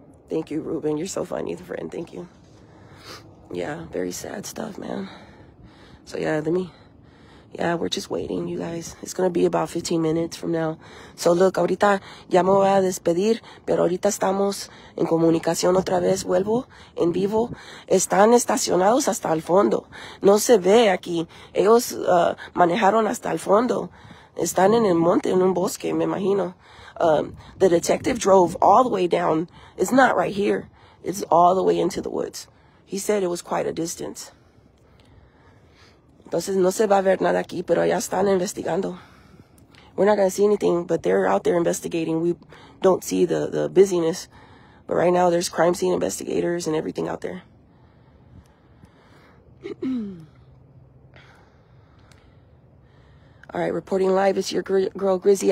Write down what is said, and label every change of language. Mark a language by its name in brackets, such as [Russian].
[English] Thank you, Ruben. You're so funny, friend. Thank you. Yeah, very sad stuff, man. So, yeah, let me... Yeah, we're just waiting, you guys. It's going to be about 15 minutes from now. So, look, [Spanish] ahorita ya me voy a despedir, pero ahorita estamos en comunicación otra vez. Vuelvo en vivo. Están estacionados hasta el fondo. No se ve aquí. Ellos manejaron hasta el fondo. Están en el monte, en un bosque, me imagino. [English] The detective drove all the way down. It's not right here. It's all the way into the woods. He said it was quite a distance. [Spanish] Entonces no se va a ver nada aquí, pero ya están investigando. [English] We're not going to see anything, but they're out there investigating. We don't see the busyness. But right now there's crime scene investigators and everything out there. All right, reporting live, it's your girl Grizzy.